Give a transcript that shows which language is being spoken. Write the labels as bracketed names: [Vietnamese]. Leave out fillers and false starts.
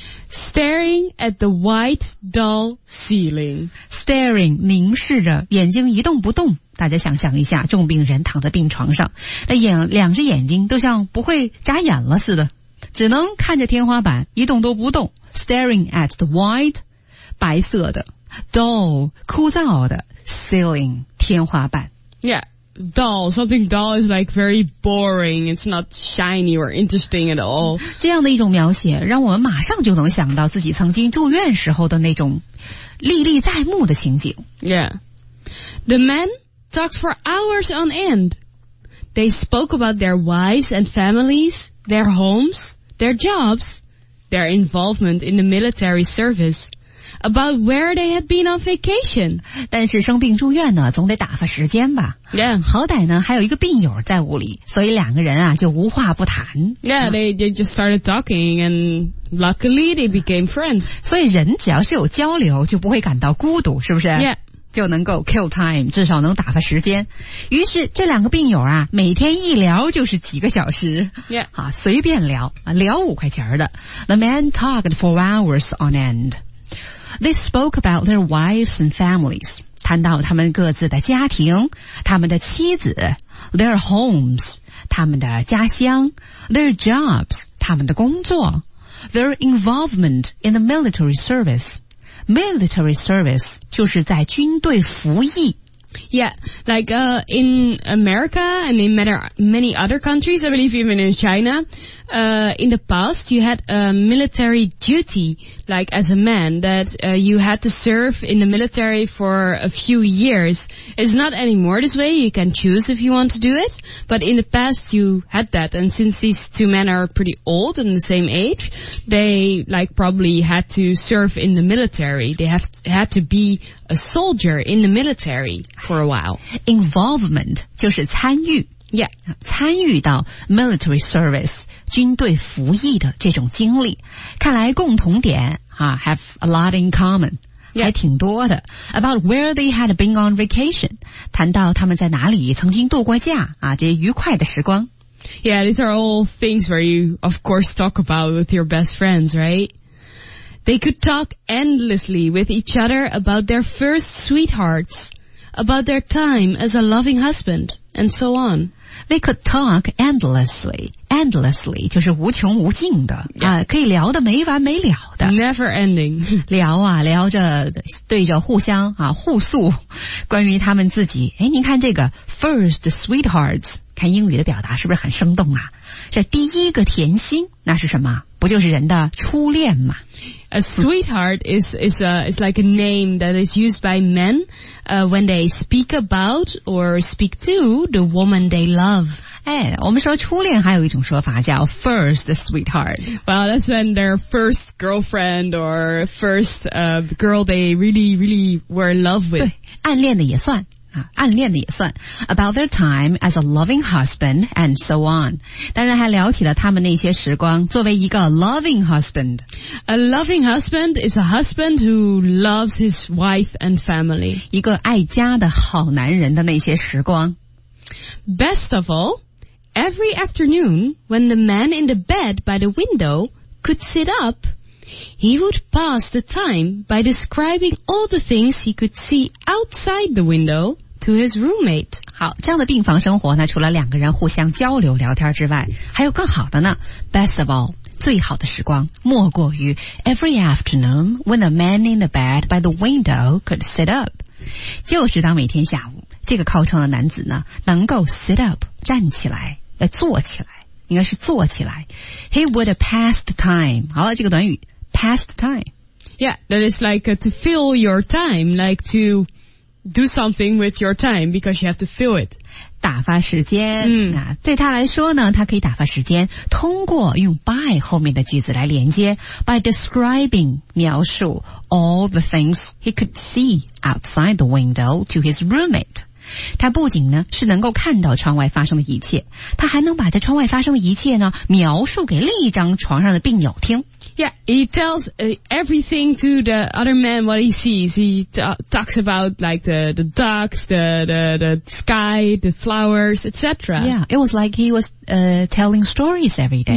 [English] Staring at the white dull ceiling， [Chinese] staring 凝视着，眼睛一动不动。大家想象一下，重病人躺在病床上，那眼两只眼睛都像不会眨眼了似的，只能看着天花板一动都不动。 [English] Staring at the white [Chinese] 白色的 [English] dull [Chinese] 枯燥的 [English] ceiling [Chinese] 天花板。 [English] Yeah。 Dull, something dull is like very boring. It's not shiny or interesting at all. [Chinese] 这样的一种描写让我们马上就能想到自己曾经住院时候的那种历历在目的情景。 [English] Yeah. The men talked for hours on end. They spoke about their wives and families, their homes, their jobs, their involvement in the military service. About where they had been on vacation. [Chinese] 但是生病住院呢总得打发时间吧。 [English] Yeah. [Chinese] 好歹呢还有一个病友在屋里，所以两个人啊就无话不谈。 [English] Yeah, they just started talking and luckily they became friends. [Chinese] 所以人只要是有交流就不会感到孤独，是不是？ [English] Yeah. [Chinese] 就能够 [English] kill time, [Chinese] 至少能打发时间。于是这两个病友啊每天一聊就是几个小时。 [English] Yeah. [Chinese] 啊随便聊，聊五块钱的。 [English] The man talked for hours on end. They spoke about their wives and families. [Chinese] 谈到他们各自的家庭，他们的妻子， [English] their homes, [Chinese] 他们的家乡， [English] their jobs, [Chinese] 他们的工作， [English] their involvement in the military service. [Chinese] Military service 就是在军队服役。 [English] Yeah, like, in America and in many other countries, I believe even in China, in the past, you had a military duty, like as a man, that, you had to serve in the military for a few years. It's not anymore this way. You can choose if you want to do it. But in the past, you had that. And since these two men are pretty old and the same age, they, like, probably had to serve in the military. They had to be a soldier in the military. For a while. [Chinese] Involvement, 就是参与。 [English] Yeah. [Chinese] 参与到 [English] military service, [Chinese] 军队服役的这种经历。看来共同点啊 [English] have a lot in common,、 yeah. [Chinese] 还挺多的。 [English] About where they had been on vacation, [Chinese] 谈到他们在哪里曾经度过假啊这些愉快的时光。 [English] Yeah, these are all things where you of course talk about with your best friends, right? They could talk endlessly with each other about their first sweethearts. About their time as a loving husband, and so on. They could talk endlessly. [Chinese] Endlessly 就是无穷无尽的、 [English] yeah. [Chinese] 可以聊得没完没了的。 [English] Never ending. [Chinese] 聊啊聊着对着互相啊互诉关于他们自己。诶您看这个 [English] first sweethearts, [Chinese] 看英语的表达是不是很生动啊这第一个甜心那是什么不就是人的初恋吗 [English] A sweetheart is like a name that is used by men、when they speak about or speak to the woman they love. [Chinese] 哎，我们说初恋还有一种说法叫 [English] first sweetheart. Well, that's when their first girlfriend or first、girl they really, really were in love with. [Chinese] 对，暗恋的也算。暗恋的也算 [English] about their time as a loving husband and so on [Chinese] 当然还聊起了他们那些时光作为一个 [English] loving husband A loving husband is a husband who loves his wife and family [Chinese] 一个爱家的好男人的那些时光 [English] Best of all Every afternoon when the man in the bed by the window could sit upHe would pass the time by describing all the things he could see outside the window to his roommate. [Chinese] 好，这样的病房生活呢，除了两个人互相交流聊天之外，还有更好的呢。 [English] Best of all, [Chinese] 最好的时光莫过于 [English] every afternoon when the man in the bed by the window could sit up. [Chinese] 就是当每天下午，这个靠窗的男子呢，能够 [English] sit up, [Chinese] 站起来，坐起来。应该是坐起来 [English] He would pass the time [Chinese] 好了这个短语 [English] Pass the time Yeah, that is like to fill your time, like to do something with your time because you have to fill it. [Chinese] 打发时间、嗯、对他来说呢，他可以打发时间，通过用 by 后面的句子来连接， [English] by describing 描述 all the things he could see outside the window to his roommate。 [Chinese] 他不仅呢是能够看到窗外发生的一切，他还能把在窗外发生的一切呢描述给另一张床上的病友听。 [English] Yeah, he tells everything to the other man what he sees. He talks about like the ducks, the sky, the flowers, etc. Yeah, it was like he was telling stories every day.